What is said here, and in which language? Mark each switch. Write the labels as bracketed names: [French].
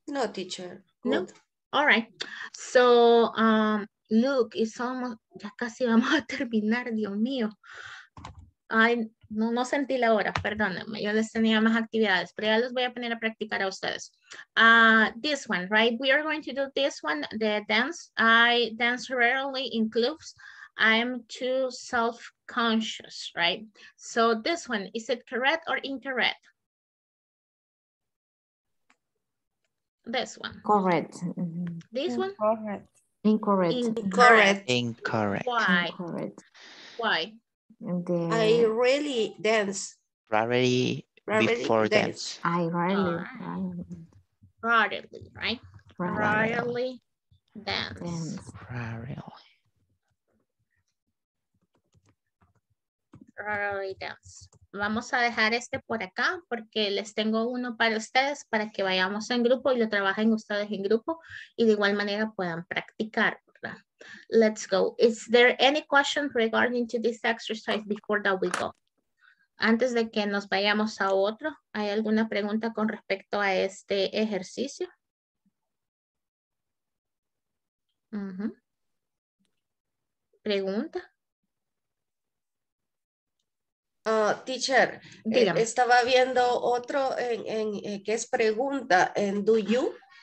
[English] No, teacher. No? All right. So, look, it's almost, [Spanish] ya casi vamos a terminar, Dios mío. No sentí la hora, perdónenme. Yo les tenía más actividades, pero ya los voy a poner a practicar a ustedes. [English] This one, right? We are going to do this one, the dance. I dance rarely in clubs. I am too self-conscious, right? So this one, is it correct or incorrect? This one. Correct. This one? Correct. Incorrect. Incorrect. Incorrect. Why? Incorrect. Why? I really dance. Rarely before dance. I rarely. Rarely, right? Rarely dance. Rarely. Rarely dance. [Spanish] Vamos a dejar este por acá porque les tengo uno para ustedes para que vayamos en grupo y lo trabajen ustedes en grupo y de igual manera puedan practicar, ¿verdad? [English] Let's go. Is there any question regarding to this exercise before that we go? [Spanish] Antes de que nos vayamos a otro, ¿hay alguna pregunta con respecto a este ejercicio? ¿Pregunta? Teacher, estaba viendo otro en que es pregunta en [English] do you.